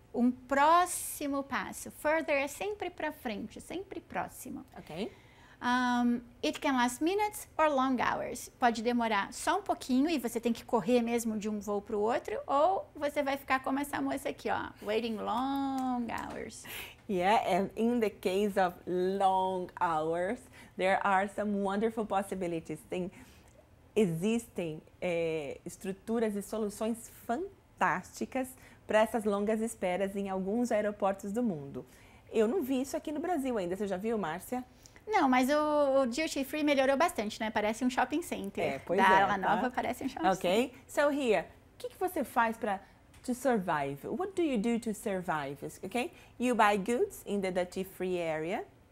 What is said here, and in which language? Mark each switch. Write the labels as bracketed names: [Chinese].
[Portuguese] Um próximo passo. Further é sempre para frente, sempre próximo. Ok. [English] It can last minutes or long hours. [Portuguese] Pode demorar só um pouquinho e você tem que correr mesmo de um voo para o outro, ou você vai ficar como essa moça aqui, ó, waiting long hours. [English] Yeah, and in the case of long hours, there are some wonderful possibilities. [Portuguese] Existem estruturas e soluções fantásticas para essas longas esperas em alguns aeroportos do mundo. Eu não vi isso aqui no Brasil ainda. Você já viu, Márcia? Não, mas o duty free melhorou bastante, né? Parece um shopping center. Da Aula Nova, parece um shopping center. Okay, so here, o que você faz para to survive? [English] What do you do to survive? Okay, you buy goods in the duty free area.